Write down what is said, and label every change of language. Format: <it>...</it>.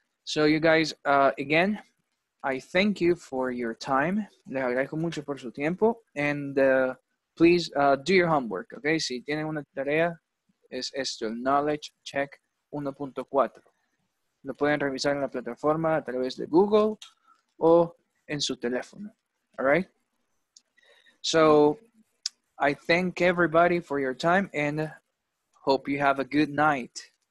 <en>So you guys, again, I thank you for your time.</en> <es>Les agradezco mucho por su tiempo.</es> <en>And please do your homework, okay?</en> <es>Si tienen una tarea, es esto, el Knowledge Check 1.4. Lo pueden revisar en la plataforma a través de Google o en su teléfono.</es> <en>All right? So, I thank everybody for your time and hope you have a good night.</en>